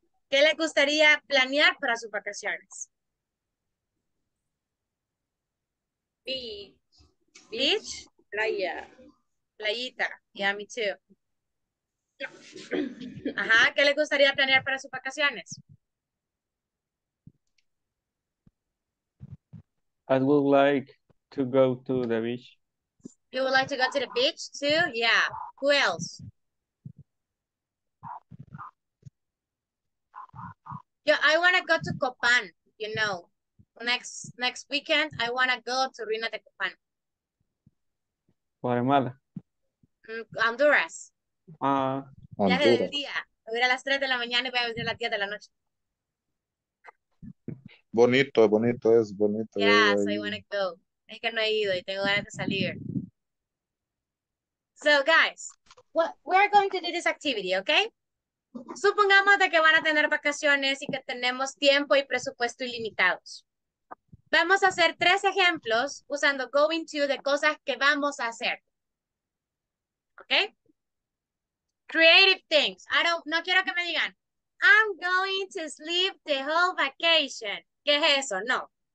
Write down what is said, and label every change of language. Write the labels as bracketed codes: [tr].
[es] ¿Qué les gustaría planear para sus vacaciones? [en] Beach, [es] playa, playita, [en] yeah, me too. [es] Ajá, ¿qué le gustaría planear para sus vacaciones? [en] I would like to go to the beach. You would like to go to the beach too? Yeah, who else? Yeah, I want to go to Copan, you know. next weekend I want to go to Rina de Copan. Guatemala. Honduras. Ah, [es] viaje del día. Voy a las 3 de la mañana y voy a venir a las 10 de la noche. Bonito, bonito, es bonito. [en] Yes, I want to go. [es] Es que no he ido y tengo ganas de salir. [en] So, guys, we're going to do this activity, okay? [es] Supongamos de que van a tener vacaciones y que tenemos tiempo y presupuesto ilimitados. Vamos a hacer 3 ejemplos usando going to de cosas que vamos a hacer. [en] Okay? Creative things. [es] No quiero que me digan, [en] I'm going to sleep the whole vacation. [es] ¿Qué es eso? No.